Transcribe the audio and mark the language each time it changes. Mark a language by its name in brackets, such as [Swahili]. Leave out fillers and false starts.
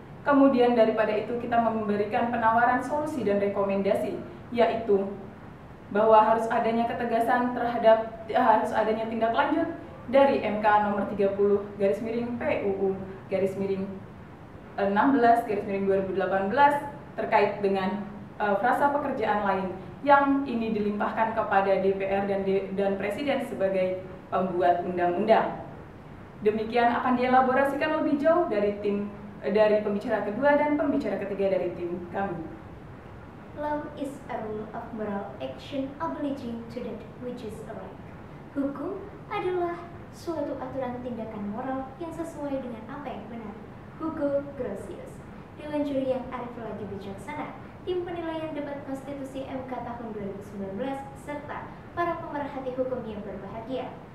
[Indonesian] Kemudian daripada itu kita memberikan penawaran solusi dan rekomendasi, yaitu bahwa harus adanya ketegasan terhadap harus adanya tindak lanjut dari MK nomor 30 garis miring PUU garis miring 16 garis miring 2018 terkait dengan frasa pekerjaan lain yang ini dilimpahkan kepada DPR dan Presiden sebagai pembuat undang-undang. Demikian akan dielaborasikan lebih jauh dari tim dari pembicara kedua dan pembicara ketiga dari tim kami. [English] Law is a rule of moral action obliging to that which is right. [Indonesian] Hukum adalah suatu aturan tindakan moral yang sesuai dengan apa yang benar. Hugo Grotius. Dewan juri yang arif lagi bijaksana, tim penilaian debat konstitusi MK tahun 2019, serta para pemerhati hukum yang berbahagia.